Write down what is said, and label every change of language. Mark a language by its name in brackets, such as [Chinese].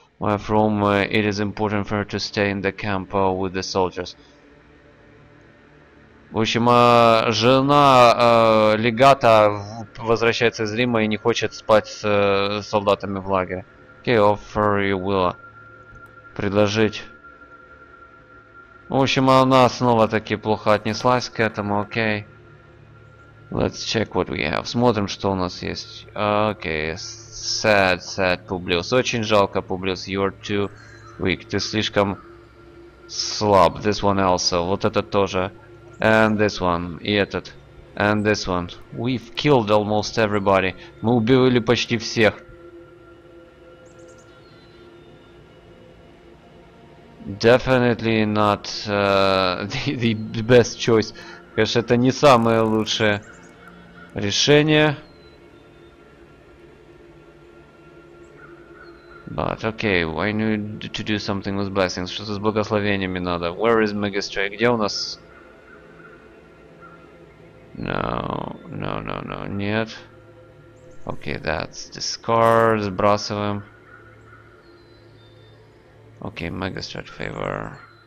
[English] Where from it is important for her to stay in the camp with the soldiers. [Russian] В общем, жена легата возвращается из Рима и не хочет спать с солдатами в лагере. [English] Okay, offer you will. [Russian] Предложить. В общем, она снова-таки плохо отнеслась к этому, окей. [English] Let's check what we have. [Russian] Смотрим, что у нас есть. [English] Окей. Sad, sad, Publius. [Russian] Очень жалко, [English] Publius. You're too weak. [Russian] Ты слишком [English] Slab, this one also, [Russian] вот этот тоже. [English] And this one, [Russian] и этот. [English] And this one. We've killed almost everybody. [Russian] Мы убивали почти всех. [English] Definitely not the best choice. [Russian] Конечно, это не самое лучшее решение. [English] But okay, I need to do something with blessings. [Russian] Что-то с благословениями надо. [English] Where is Magistrate? [Russian] Где у нас? [English] No, no, no, no, нет. Okay, that's discard. [Russian] Сбрасываем. [English] Okay, Magistrate favor.